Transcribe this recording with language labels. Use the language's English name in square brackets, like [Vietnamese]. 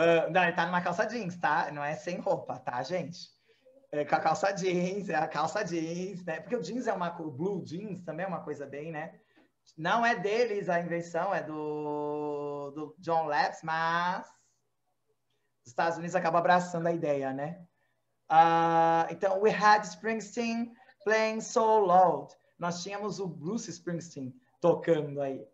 [Portuguese] Não, ele tá numa calça jeans, tá? Não é sem roupa, tá, gente? É com a calça jeans, é a calça jeans, né? Porque o jeans é uma. O blue jeans também é uma coisa bem, né? Não é deles a invenção, é do John Labs, mas os Estados Unidos acabam abraçando a ideia, né? [English] Então, we had Springsteen playing so loud. [Portuguese] Nós tínhamos o Bruce Springsteen tocando aí.